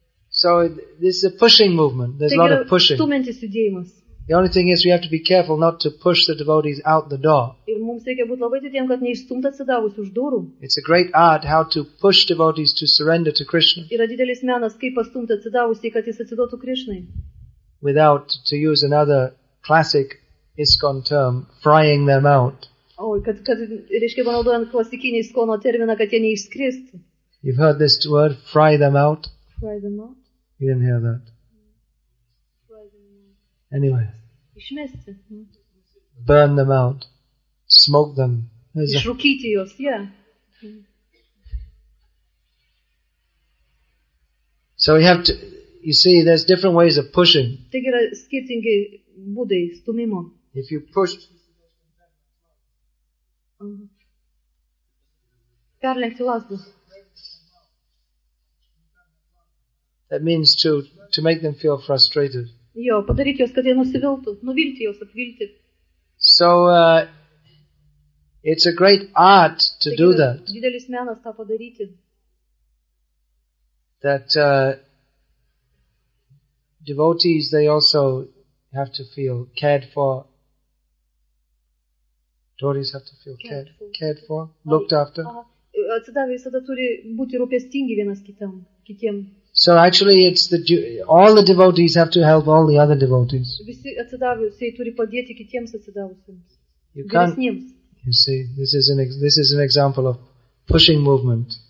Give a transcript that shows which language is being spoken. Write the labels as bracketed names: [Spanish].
[English] So this is a pushing movement. There's a lot of pushing. The only thing is we have to be careful not to push the devotees out the door. [Lithuanian] Ir mums reikia būti labai didiem, kad neišstumt atsidavus už durų. [English] It's a great art how to push devotees to surrender to Krishna. [Lithuanian] Yra didelis menas, kaip pastumti atsidavus, kad jis atsiduotų Krishnai. [English] Without, to use another classic ISKCON term, frying them out. [Lithuanian] O, kad reiškia, panaudojant klasikinį ISKCON terminą, kad jie neišskristų. [English] You've heard this word, fry them out. Fry them out. You didn't hear that. Anyway, [Lithuanian] išmesti. [English] Burn them out, smoke them. [Lithuanian] Išrūkyti juos, [English] yeah. So we have to, you see, there's different ways of pushing. [Lithuanian] Taigi yra skirtingi būdai stumimo. [English] If you push, [Lithuanian] perlenkti lazdą. [English] That means to make them feel frustrated. [Lithuanian] Jo, padaryti juos, kad jie nusiviltų, nuvilti juos, apvilti. [English] So, it's a great art to do that. [Lithuanian] Didelis menas tą padaryti. [English] That devotees, they also have to feel cared for. Devotees have to feel cared for, looked after. [Lithuanian] Atsidavę visada turi būti rūpestingi vienas kitam, kitiem. [English] So actually it's all the devotees have to help all the other devotees. [Lithuanian] Visi atsidavusieji turi padėti kitiems atsidavusiems. [English] You see, this is an example of pushing movement.